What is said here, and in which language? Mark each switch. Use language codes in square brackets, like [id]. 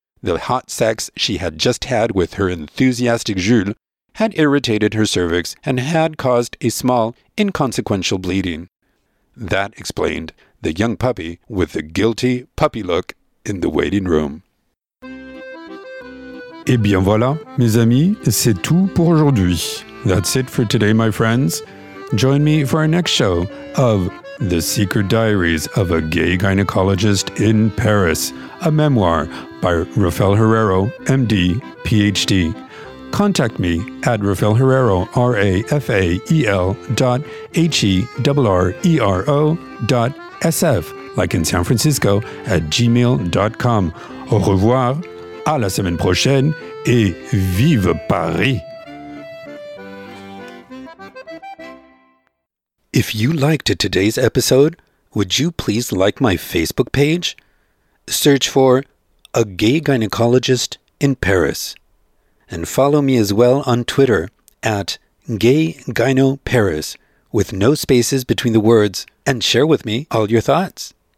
[en] The hot sex she had just had with her enthusiastic Jules had irritated her cervix and had caused a small, inconsequential bleeding. That explained the young puppy with the guilty puppy look in the waiting room. [fr] Et bien voilà, mes amis, c'est tout pour aujourd'hui. [en] That's it for today, my friends. Join me for our next show of The Secret Diaries of a Gay Gynecologist in Paris, a memoir by Rafael Herrero, MD, PhD. Contact me at Rafael Herrero, RAFAEL.HERRERO.SF, like in San Francisco, at gmail.com. [fr] Au revoir, à la semaine prochaine, et vive Paris! [en] If you liked today's episode, would you please like my Facebook page? Search for A Gay Gynecologist in Paris. And follow me as well on Twitter at GayGynoParis with no spaces between the words, and share with me all your thoughts.